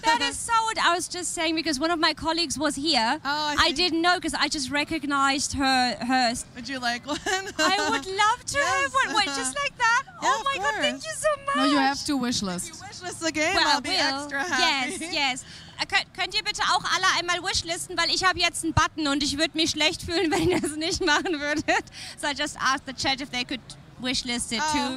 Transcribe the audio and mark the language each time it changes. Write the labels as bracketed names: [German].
[English] That is so what I was just saying, because one of my colleagues was here. Oh, I didn't know because I just recognized her. Would you like one? I would love to have one. Wait, just like that? Yeah, oh my course. God, thank you so much. No, you have to wishlist. If you wishlist the game, I'll be extra happy. Yes, yes. [German] Könnt ihr bitte auch alle einmal wishlisten, weil ich habe jetzt einen Button und ich würde mich schlecht fühlen, wenn ihr es nicht machen würdet. [English] So I just asked the chat if they could wishlist it too.